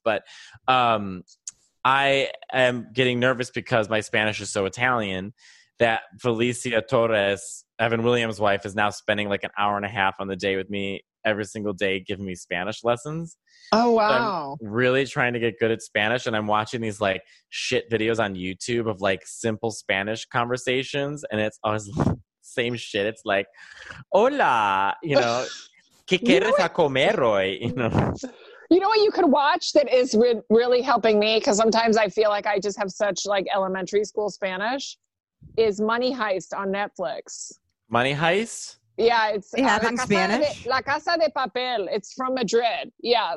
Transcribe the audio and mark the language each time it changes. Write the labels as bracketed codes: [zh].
[en] But I am getting nervous because my Spanish is so Italian that Felicia Torres, Evan Williams' wife, is now spending like an hour and a half on the day with me every single day giving me Spanish lessons. Oh, wow. So I'm really trying to get good at Spanish, and I'm watching these like shit videos on YouTube of like simple Spanish conversations, and it's always same shit. It's like, [es] hola, [en] you know, [es] ¿qué quieres a comer hoy? [en] You know? You know what you could watch that is really helping me? Because sometimes I feel like I just have such like elementary school Spanish, is Money Heist on Netflix. Money Heist? Yeah. It's in Spanish? La Casa de Papel. It's from Madrid. Yeah.